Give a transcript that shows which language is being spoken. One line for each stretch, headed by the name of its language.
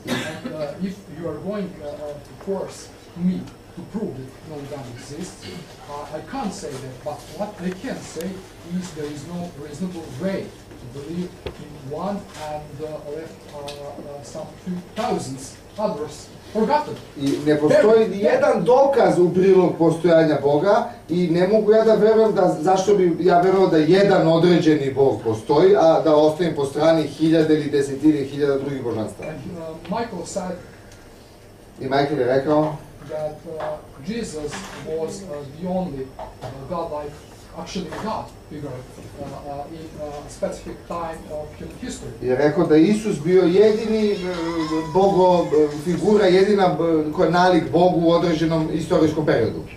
English: And if you are going to force me to prove that no God exists, I can't say that. But what I can say is there is no reasonable way to believe in one and left some few thousands others forgotten.
Serbian: I ne postoji ni jedan dokaz u prilog postojanja Boga i ne mogu ja da verujem da, zašto bi ja verovao da jedan određeni Bog postoji, a da ostavim po strani hiljade ili desetine hiljada drugih božanstva.
English: Michael said,
Serbian: i Michael je rekao
English: that Jesus was the only God-like, actually God figure in a specific time of human history.
Serbian: Je rekao da Isus bio jedini Bogo figura, jedina koja nalik Bogu u određenom istorijskom periodu.